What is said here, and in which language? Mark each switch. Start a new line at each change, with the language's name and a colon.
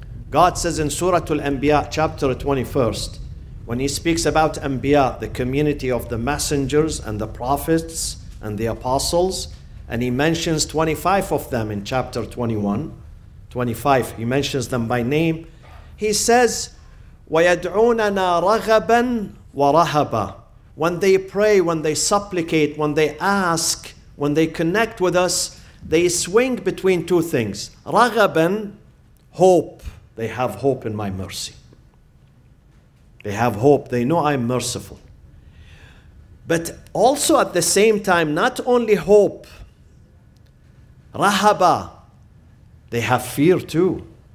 English: God says in Surah Al-Anbiya, chapter 21st, when he speaks about Anbiya, the community of the messengers and the prophets and the apostles, and he mentions 25 of them in chapter 21. 25, he mentions them by name. He says,
Arabic: وَيَدْعُونَنَا رَغَبًا وَرَهَبًا.
English: When they pray, when they supplicate, when they ask, when they connect with us, they swing between two things. رَغَبًا, hope. They have hope in my mercy. They have hope. They know I'm merciful. But also at the same time, not only hope, Rahaba, they have fear too.